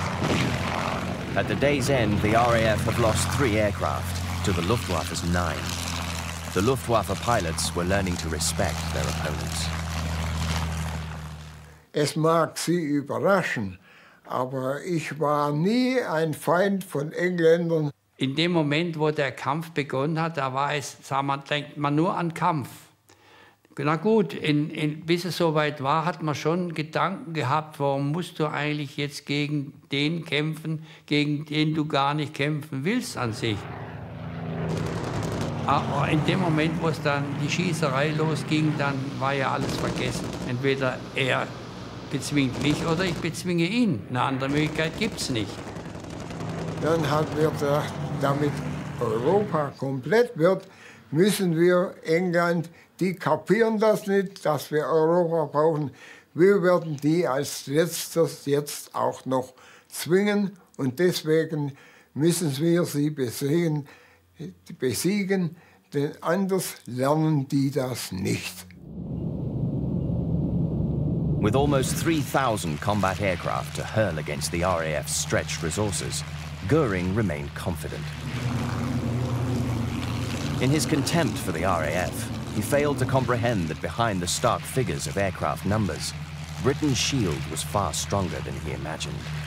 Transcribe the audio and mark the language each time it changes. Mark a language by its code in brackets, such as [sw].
[en] At the day's end, the RAF have lost 3 aircraft to the Luftwaffe's 9. The Luftwaffe pilots were learning to respect their opponents. [de] Es mag Sie überraschen, aber ich war nie ein Feind von Engländern. In dem Moment, wo der Kampf begonnen hat, da war es, sah man, denkt man nur an Kampf. Na gut, bis es soweit war, hat man schon Gedanken gehabt, warum musst du eigentlich jetzt gegen den kämpfen, gegen den du gar nicht kämpfen willst an sich. Aber in dem Moment, wo es dann die Schießerei losging, dann war ja alles vergessen. Entweder er bezwingt mich oder ich bezwinge ihn. Eine andere Möglichkeit gibt's nicht. Dann hat wir gedacht, damit Europa komplett wird, müssen wir England. Die kapieren das nicht, dass wir Europa brauchen. Wir werden die als Letztes jetzt auch noch zwingen. Und deswegen müssen wir sie besiegen, denn anders lernen die das nicht. [en] With almost 3,000 combat aircraft to hurl against the RAF's stretched resources, Göring remained confident. In his contempt for the RAF, he failed to comprehend that behind the stark figures of aircraft numbers, Britain's shield was far stronger than he imagined.